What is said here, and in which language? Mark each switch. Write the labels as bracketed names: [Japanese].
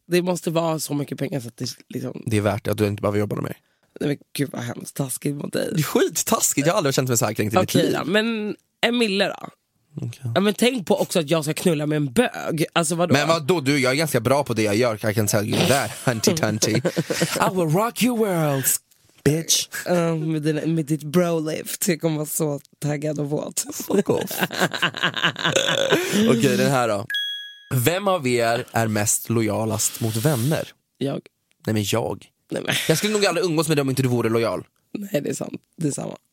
[Swedish] Det måste vara så mycket pengar så att det liksom... Det är värt det, att du inte behöver jobba med mig. Nej, men gud vad hemskt taskigt mot dig. Skittaskigt, jag har aldrig känt mig så här kring till mitt liv. Okej, men en mille då? Okay. Ja, men tänk på också att jag ska knulla med en bög. Alltså vadå? Men vadå, du, jag är ganska bra på det jag gör. [English] I can tell you that, hunty tunty. I will rock your world, bitch. [Swedish] Med ditt bro-lift. Jag kommer vara så taggad och våt. [English] Fuck off. [Swedish] Okej, den här då. Vem av er är mest lojalast mot vänner? Jag. Nej, men jag. Nej, men. Jag skulle nog aldrig umgås med dig om inte du vore lojal. Nej, det är sant. Det är samma.